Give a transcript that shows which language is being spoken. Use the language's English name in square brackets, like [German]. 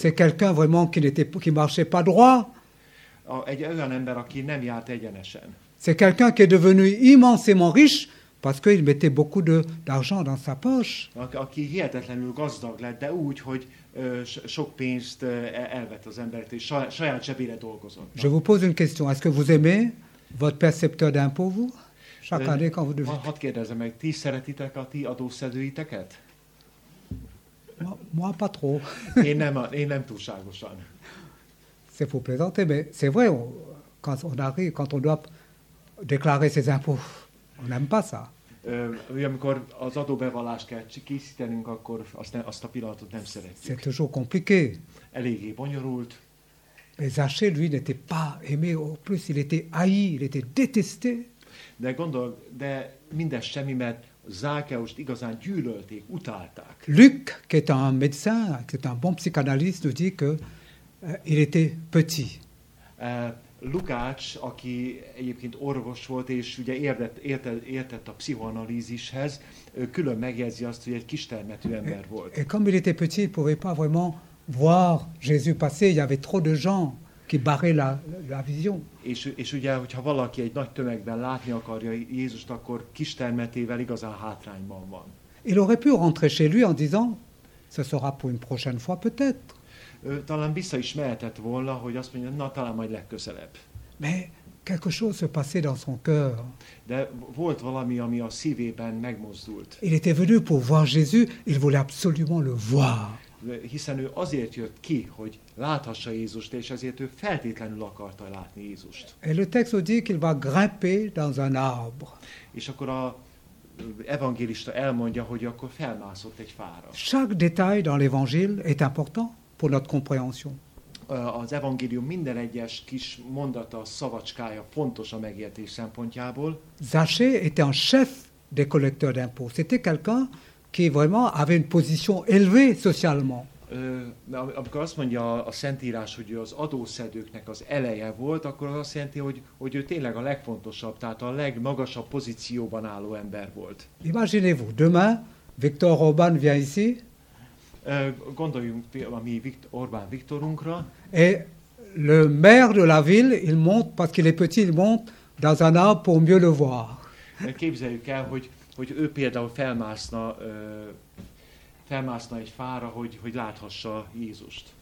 [French] C'est quelqu'un vraiment qui marchait pas droit. [Hungarian] Egy olyan ember, aki nem járt egyenesen. [French] C'est quelqu'un qui est devenu immensément riche parce qu'il mettait beaucoup d'argent dans sa poche. [Hungarian] Aki hihetetlenül gazdag lett, de úgy, hogy sok pénzt elvett az embert, és saját zsebére dolgozott. [French] Je vous pose une question. Est-ce que vous aimez votre percepteur d'impôt, vous? Chaque année, quand vous devez... [Hungarian] Hadd kérdezem meg, ti szeretitek a ti adószedőiteket? [French] Moi pas trop. [Hungarian] Én nem túlságosan. [French] C'est pour plaisanter, mais c'est vrai, quand on arrive, quand on doit déclarer ses impôts, on n'aime pas ça. [Hungarian] Amikor az adóbevallást kell készítenünk, akkor azt a pillanatot nem szeretjük. [French] C'est toujours compliqué. [Hungarian] Eléggé bonyolult. [French] Mais Zachée, lui, n'était pas aimé, au plus, il était haï, il était détesté. [Hungarian] De mindez semmi, mert Zákeust igazán gyűlölték, utálták. [French] Luc, qui est un médecin, qui est un bon psychanalyste, nous dit que il était petit. [Hungarian] Lukács, aki egyébként orvos volt, és ugye értett a pszichoanalízishez, külön megjegyzi azt, hogy egy kistermetű ember volt. [French] Et comme il était petit, il pouvait pas vraiment voir Jésus passer, il y avait trop de gens qui barraient la vision. [Hungarian] És ugye, hogyha valaki egy nagy tömegben látni akarja Jézust, akkor kistermetével igazán hátrányban van. [French] Il aurait pu rentrer chez lui en disant, ce sera pour une prochaine fois peut-être. [Hungarian] Talán vissza is mehetett volna, hogy azt mondja, na talán majd legközelebb. [French] Mais quelque chose se passait dans son cœur. [Hungarian] De volt valami, ami a szívében megmozdult. [French] Il était venu pour voir Jésus, il voulait absolument le voir. [Hungarian] Hiszen ő azért jött ki, hogy láthassa Jézust, és ezért ő feltétlenül akarta látni Jézust. [French] Et le texte dit qu'il va grimper dans un arbre. [Hungarian] És akkor a evangélista elmondja, hogy akkor felmászott egy fára. [French] Chaque détail dans l'évangile est important pour notre compréhension. [Hungarian] Az evangélium minden egyes kis mondata, szavacskája fontos a megértés szempontjából. [French] Zachée était un chef des collecteurs d'impôts. C'était quelqu'un qui vraiment avait une position élevée socialement. [Hungarian] Amikor azt mondja a Szentírás, hogy az adószedőknek az eleje volt, akkor azt jelenti, hogy ő tényleg a legfontosabb, tehát a legmagasabb pozícióban álló ember volt. [French] Imaginez-vous, demain Viktor Orbán vient ici. [Hungarian] Gondoljunk a mi Orbán Viktorunkra. [French] Et le maire de la ville, il monte, parce qu'il est petit, il monte dans un arbre pour mieux le voir. [Hungarian] Képzeljük el, hogy ő például felmászna egy fára, hogy láthassa Jézust.